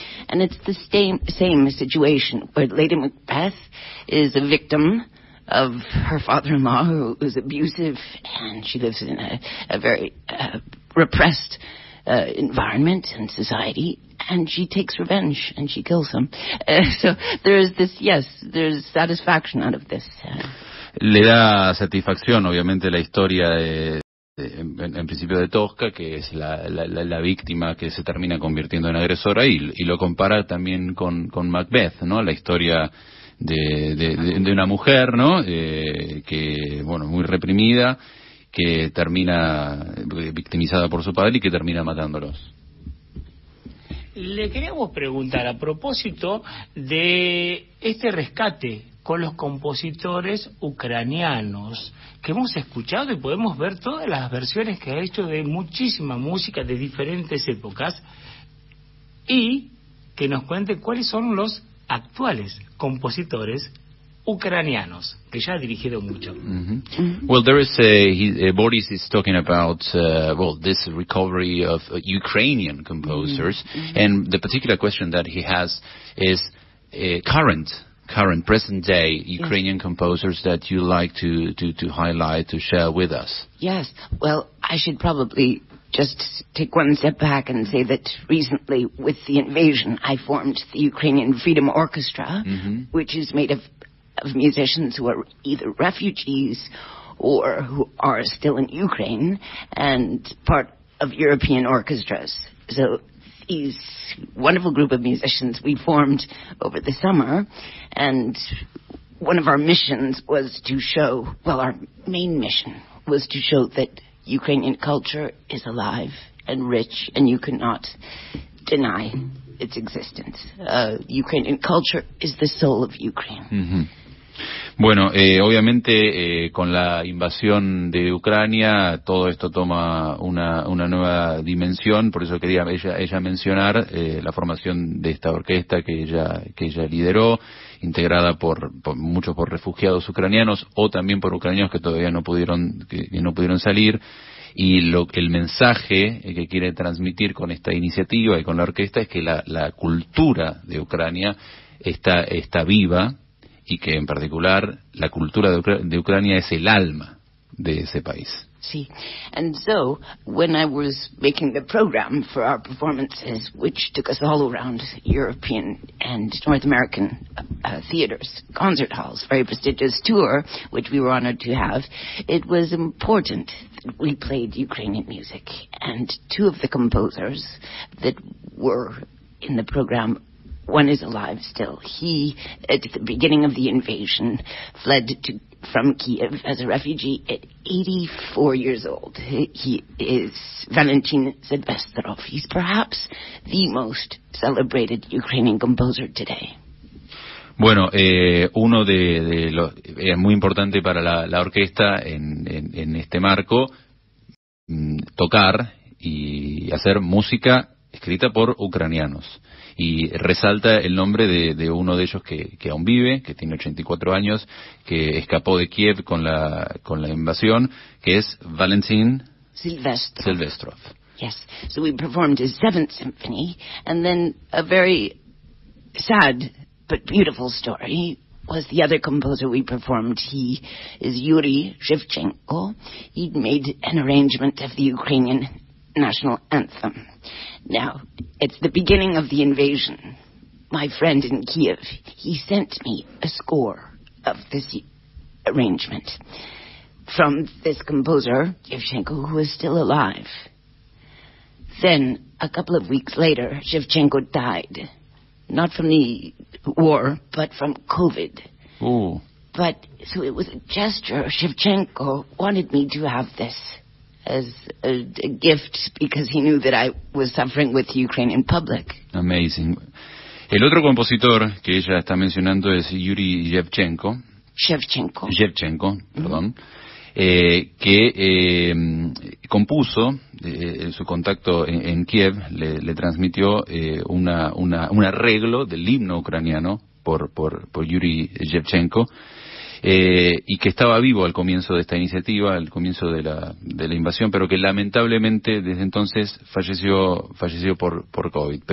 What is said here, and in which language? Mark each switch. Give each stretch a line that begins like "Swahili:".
English: And it's the same situation where Lady Macbeth is a victim of her father-in-law, who is abusive, and she lives in a very repressed environment and society, and she takes revenge and she kills him. So there is this, yes, there's satisfaction out of this.
Spanish: Le da satisfacción, obviamente, la historia en principio de Tosca, que es la víctima que se termina convirtiendo en agresora, y lo compara también con Macbeth, ¿no? La historia de una mujer, ¿no? Que, bueno, muy reprimida, que termina victimizada por su padre y que termina matándolos. Le queríamos preguntar a propósito de este rescate con los compositores ucranianos que hemos escuchado y podemos ver todas las versiones que ha hecho de muchísima música de diferentes épocas, y que nos cuente cuáles son los actuales compositores ucranianos que ya ha dirigido mucho.
English: Well, there is Boris is talking about this recovery of Ukrainian composers, and the particular question that he has is current present day Ukrainian composers that you like to highlight, to share with us. Yes. Well, I should probably just take one step back and say that recently, with the invasion, I formed the Ukrainian Freedom Orchestra, which is made of musicians who are either refugees or who are still in Ukraine and part of European orchestras. So these wonderful group of musicians we formed over the summer, and one of our missions was to show, well, our main mission was to show that Ukrainian culture is alive and rich, and you cannot deny its existence. Ukrainian culture is the soul of Ukraine.
Spanish: Bueno, obviamente con la invasión de Ucrania todo esto toma una nueva dimensión, por eso quería ella mencionar la formación de esta orquesta que ella lideró, integrada por refugiados ucranianos o también por ucranianos que todavía no pudieron salir. Y el mensaje que quiere transmitir con esta iniciativa y con la orquesta es que la cultura de Ucrania está viva, y que en particular la cultura de Ucrania es el alma de ese país. Sí.
English: And so, when I was making the program for our performances, which took us all around European and North American theaters, concert halls, very prestigious tour, which we were honored to have, it was important that we played Ukrainian music. And two of the composers that were in the program, one is alive still. He, at the beginning of the invasion, fled from Kiev as a refugee at 84 years old. He is Valentin Zadvestrov. He's perhaps the most celebrated Ukrainian composer today.
Spanish: Bueno, uno de los es muy importante para la orquesta en este marco tocar y hacer música escrita por ucranianos. Y resalta el nombre de uno de ellos que aún vive, que tiene 84 años, que escapó de Kiev con la invasión, que es Valentin Zadvestrov.
English: Yes, so we performed his 7th symphony, and then a very sad but beautiful story was the other composer we performed. He is Yuri Shevchenko. He'd made an arrangement of the Ukrainian national anthem. Now, it's the beginning of the invasion. My friend in Kiev, he sent me a score of this arrangement from this composer, Yevchenko, who is still alive. Then, a couple of weeks later, Shevchenko died. Not from the war, but from COVID. Ooh. But, so it was a gesture. Shevchenko wanted me to have this as a gift because he knew that I was suffering with Ukraine in public. Amazing.
Spanish: El otro compositor que ella está mencionando es Yuri Shevchenko. Shevchenko, perdón. Que compuso, su contacto en Kiev le transmitió un arreglo del himno ucraniano por Yuri Shevchenko, y que estaba vivo al comienzo de esta iniciativa, al comienzo de la invasión, pero que lamentablemente desde entonces falleció por COVID.